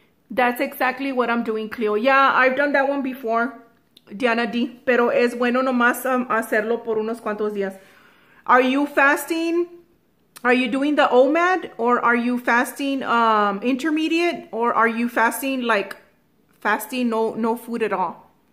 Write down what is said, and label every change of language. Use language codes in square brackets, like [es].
[en] That's exactly what I'm doing, Cleo. Yeah, I've done that one before, Diana D. [es] Pero es bueno nomás hacerlo por unos cuantos días. [en] Are you fasting? Are you doing the OMAD? Or are you fasting intermediate? Or are you fasting like fasting, no food at all?